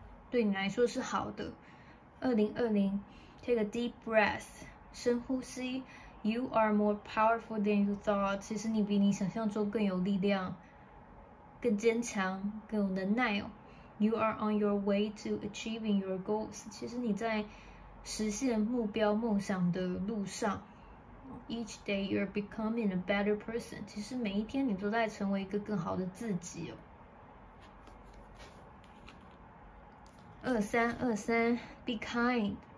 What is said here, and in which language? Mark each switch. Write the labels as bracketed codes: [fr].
[zh] 对你来说是好的。2020 [en] take a deep breath， [zh] 深呼吸。 [en] You are more powerful than you thought. [zh] 其实你比你想象中更有力量，更坚强，更有能耐哦。 [en] You are on your way to achieving your goals. [zh] 其实你在实现目标梦想的路上。 [en] Each day you're becoming a better person. [zh] 其实每一天你都在成为一个更好的自己哦。 [en] 2323 Be kind.